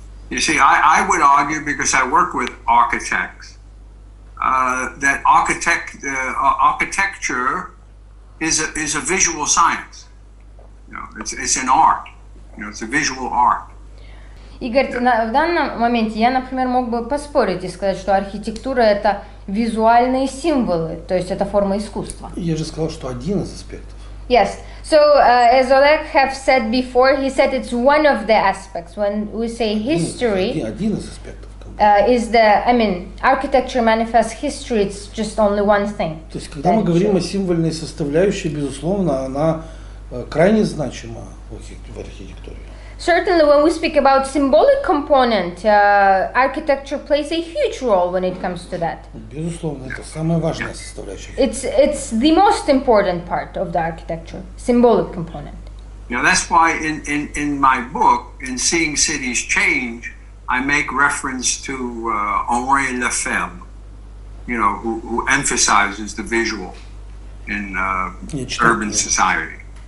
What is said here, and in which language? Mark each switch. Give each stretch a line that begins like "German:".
English: You see, I would argue, because I work with architects, that architecture is a visual science. You know, it's an art. You know, it's a visual art.
Russian: Игорь, в данном моменте я, например, мог бы поспорить и сказать, что архитектура – это визуальные символы, то есть это форма искусства. Я же сказал, что один из аспектов.
English: Yes. So, as Oleg have said before, he said it's one of the aspects. When we say history, architecture manifests history, it's just only one thing.
Russian: То есть, когда мы говорим о символьной составляющей, безусловно, она крайне значима в архитектуре.
English: Certainly, when we speak about symbolic component, architecture plays a huge role when it comes to that.
Russian: Безусловно, это самая важная составляющая.
English: It's the most important part of the architecture, symbolic component. Now that's why in my book, in Seeing Cities Change, I make reference to Henri Lefebvre, you know, who emphasizes the visual in urban society.